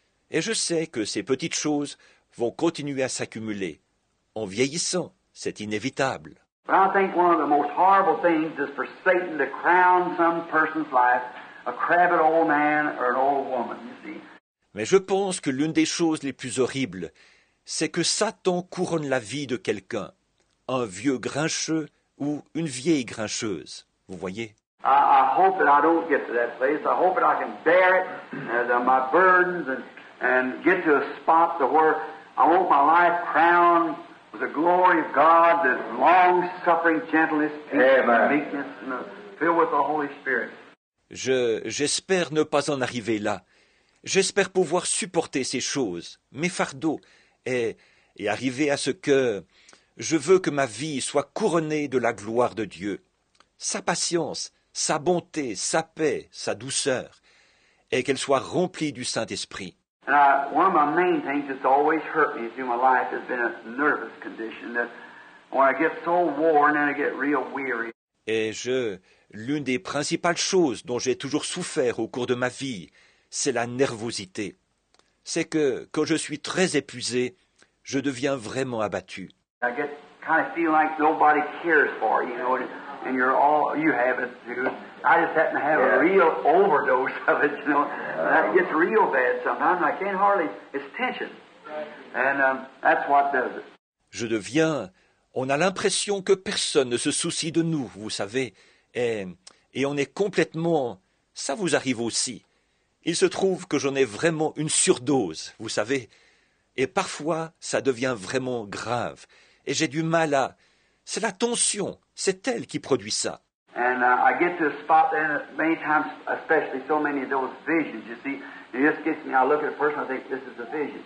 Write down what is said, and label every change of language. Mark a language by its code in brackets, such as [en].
[fr] Et je sais que ces petites choses vont continuer à s'accumuler. En vieillissant, c'est inévitable. [en] But I think one of the most horrible things is for Satan to crown some person's life, a crabbed old man or an old woman, you see. [fr] Mais je pense que l'une des choses les plus horribles, c'est que Satan couronne la vie de quelqu'un, un vieux grincheux ou une vieille grincheuse, vous voyez. [en] I hope that I don't get to that place. I hope that I can bear it, my burdens, and get to a spot to where I want my life crowned with the glory of God, the long-suffering gentleness, peace, Amen. And meekness, and filled with the Holy Spirit. [fr] J'espère ne pas en arriver là. J'espère pouvoir supporter ces choses, mes fardeaux, et arriver à ce que... Je veux que ma vie soit couronnée de la gloire de Dieu, sa patience, sa bonté, sa paix, sa douceur. et qu'elle soit remplie du Saint-Esprit. [en] And I, one of my main things that's always hurt me through my life has been a nervous condition that when I get so worn and I get real weary. [fr] Et je, l'une des principales choses dont j'ai toujours souffert au cours de ma vie, c'est la nervosité. C'est que quand je suis très épuisé, je deviens vraiment abattu. [en] I get kind of feel like nobody cares for you, you know, and you're all you have it too. I just happen to have a real overdose of it, you know. That gets real bad sometimes. I can't hardly. It's tension, and that's what does it. [fr] Je deviens. On a l'impression que personne ne se soucie de nous, vous savez, et on est complètement. Ça vous arrive aussi. Il se trouve que j'en ai vraiment une surdose, vous savez, et parfois ça devient vraiment grave, et j'ai du mal à. C'est la tension, c'est elle qui produit ça. [en] And I get to a spot then many times, especially so many of those visions, you see, it just gets me. I look at a person, I think this is a vision.